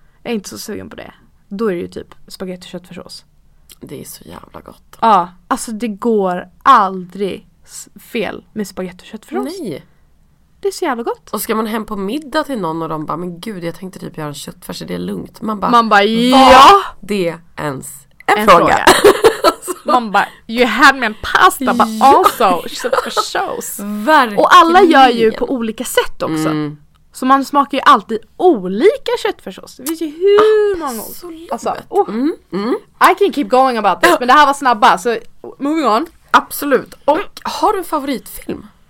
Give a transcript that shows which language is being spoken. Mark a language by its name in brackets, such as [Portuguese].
[Swedish] Jag är inte så sugen på det. Då är det ju typ spagetti och köttfärssås. Det är så jävla gott. Ja. Alltså det går aldrig fel med spagetti och köttfärssås. Nej. Det är så jävla gott. Och ska man hem på middag till någon och de bara, men gud, jag tänkte typ göra en köttfärs, det är lugnt. Man bara, ja. Det är ens en fråga. Man bara, [English] you had me [Swedish] en pasta, [English] but also [Swedish] köttfärssås. Verkligen. Och alla gör ju på olika sätt också. Mm. Så man smakar ju alltid olika köttfärssås. Det finns ju hur många. Alltså, [English] I can keep going about this, [Swedish] men det här var snabba. Så [English] moving on. [Swedish] Absolut. Och har du en favoritfilm?